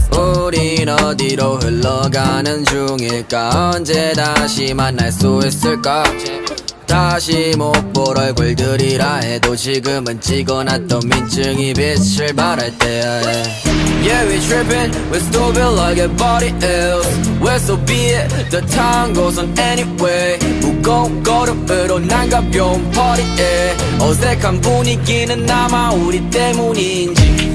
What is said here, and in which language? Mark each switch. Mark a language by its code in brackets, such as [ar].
[ko] 우린 어디로 흘러가는 중일까? 언제 다시 만날 수 있을까? 다시 못 볼 얼굴들이라 해도 지금은 찍어놨던 민증이 빛을 발할 때야. [en] Yeah, we trippin', we stupid like a body else. Well, so be it, the time goes on anyway. [ko] 무거운 걸음으로 난 가벼운 party에 어색한 분위기는 아마 우리 때문인지.